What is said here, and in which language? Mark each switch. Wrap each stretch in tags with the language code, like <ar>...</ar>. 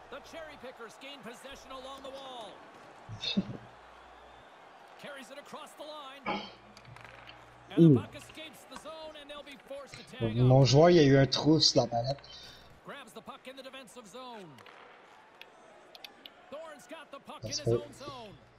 <en>The cherry pickers gain possession along the wall. Carries it across the line. And the puck escapes the zone and they'll be forced to tag.</en> <fr>Mon joueur, il y a eu un trou sur la palette.</fr> <en>Grabs the puck in the defensive zone. Thorne's got the puck in his own zone.</en>